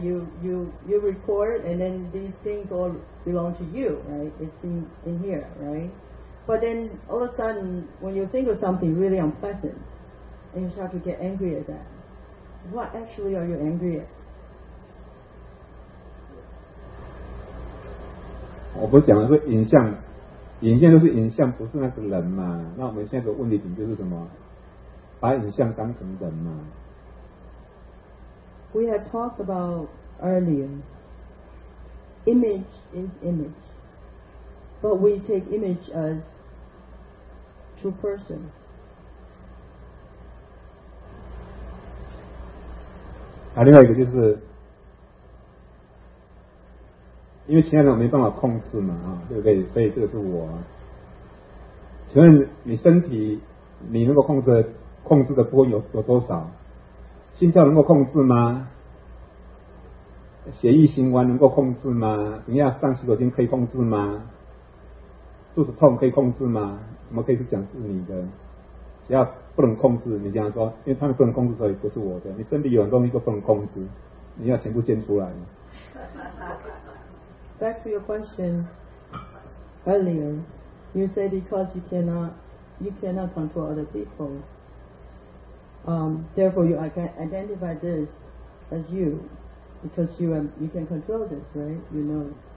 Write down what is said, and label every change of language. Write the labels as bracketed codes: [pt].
[en] You record and then these things all belong to you, right? It's in here, right? But then all of a sudden, when you think of something really unpleasant, and you start to get angry at that, what actually are you angry at? [zh] 我不是讲的是影像，影像就是影像，不是那个人嘛。那我们现在的问题点就是什么？把影像当成人嘛。 [en] We have talked about earlier, image is image, but we take image as true person. [zh] 啊，另外一个就是。因为其他人我没办法控制嘛，对不对？所以这个是我。请问你身体，你能够控制的部分有多少？心跳能够控制吗？血液循环能够控制吗？怎样上洗手间可以控制吗？肚子痛可以控制吗？怎么可以去讲是你的？只要不能控制，你这样说，因为他们不能控制，所以不是我的。你身体有很多东西都不能控制，你要全部捐出来。 [en] Back to your question earlier, you say because you cannot control other people, therefore you identify this as you, because you can control this, right? You know.